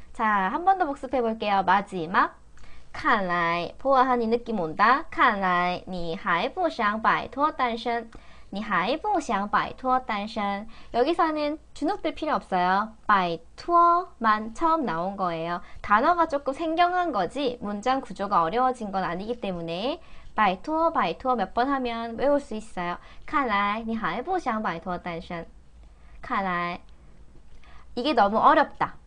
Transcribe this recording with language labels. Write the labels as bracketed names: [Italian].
[Korean] 자, 한번더 복습해 볼게요. 마지막. [Chinese] 看来, [Korean] 보아하니 느낌 온다. [Chinese] 看来,你还不想摆脱单身.你还不想摆脱单身. [Korean] 여기서는 주눅들 필요 없어요. 摆脱만 처음 나온 거예요. 단어가 조금 생경한 거지, 문장 구조가 어려워진 건 아니기 때문에. 摆脱,摆脱 몇번 하면 외울 수 있어요. [Chinese] 看来,你还不想摆脱单身.看来, [Korean] 이게 너무 어렵다.